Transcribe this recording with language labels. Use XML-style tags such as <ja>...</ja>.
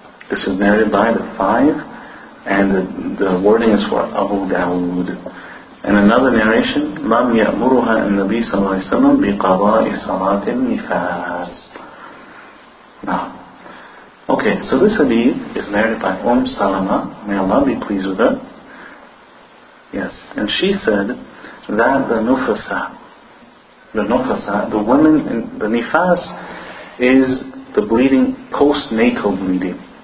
<en>This is narrated by the five, and the wording is for Abu Dawood. And another narration,</en> <ar>لم يأمرها النبي صلى الله عليه وسلم بقضاء صلاة النفاس.</ar> <en>Now, okay, so this hadith is narrated by Salama, may Allah be pleased with her. Yes, and she said that the nufasa, the women in the nifas, is the bleeding, postnatal bleeding.</en>